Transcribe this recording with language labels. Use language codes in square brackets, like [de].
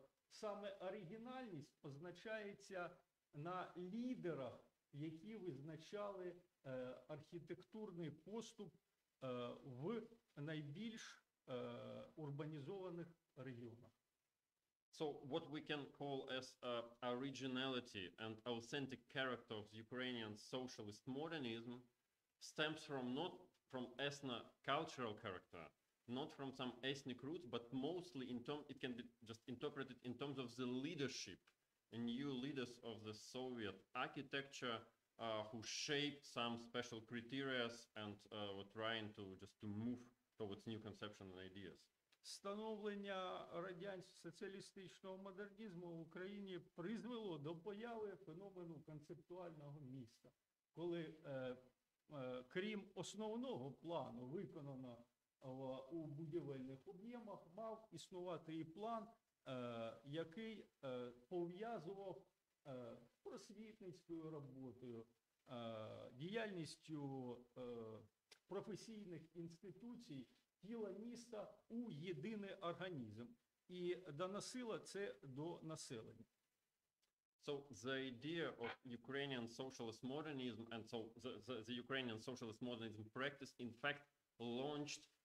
[uk] Саме оригінальність позначається на лідерах, які визначали архітектурний поступ в найбільш урбанізованих регіонах. [en] So what we can call as originality and authentic character of the Ukrainian socialist modernism stems from not from ethno-cultural character, not from some ethnic roots, but mostly in terms, it can be just interpreted in terms of the leadership, the new leaders of the Soviet architecture who shaped some special criteria and were trying to just to move towards new conceptions and ideas. [uk] Становлення радянського соціалістичного модернізму в Україні призвело до появи феномену концептуального міста, коли крім основного плану виконано у будівельних об'ємах, мав існувати і план, який пов'язував просвітницькою роботою, діяльністю професійних інституцій тіла міста у єдиний організм і доносила це до населення. [en] So the idea of Ukrainian socialist modernism and so the Ukrainian socialist modernism practice in fact launched